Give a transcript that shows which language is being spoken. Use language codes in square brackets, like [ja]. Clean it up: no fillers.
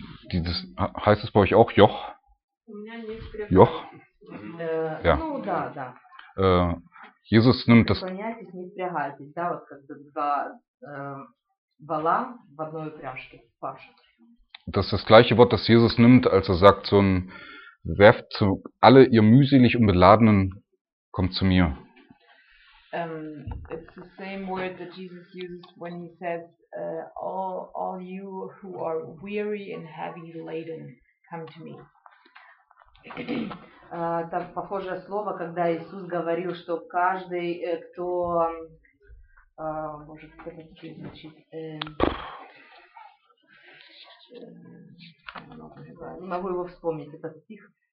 [de] Dieses, heißt es bei euch auch Joch? Joch? [ru] Ja. Ну да, да. [de] Jesus nimmt das... [ru] Преклоняйтесь, не впрягайтесь. Да, вот как бы два вала в одной упряжке. [de] Das ist das gleiche Wort, das Jesus nimmt, als er sagt, so ein werft zu alle ihr mühselig und beladenen, kommt zu mir. [en] It's the same word that Jesus uses when he says, all you who are weary and heavy laden, come to me. [ru] Там похожее слово, когда Иисус говорил, что каждый, кто может сказать, не могу его вспомнить, этот стих.